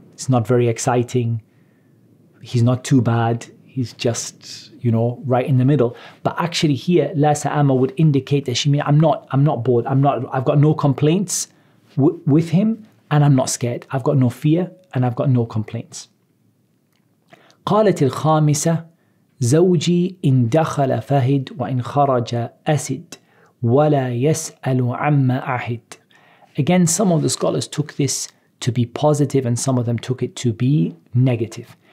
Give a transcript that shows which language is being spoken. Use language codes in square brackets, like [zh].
[en] It's not very exciting. He's not too bad. He's just, you know, right in the middle. But actually here, la sa'ama would indicate that she means, I'm not bored. I've got no complaints. with him, and I'm not scared. I've got no fear and I've got no complaints. [ar] قالت الخامسة زوجي إن دخل فهد وإن خرج أسد ولا يسأل عما أحد. [en] Again, some of the scholars took this to be positive and some of them took it to be negative.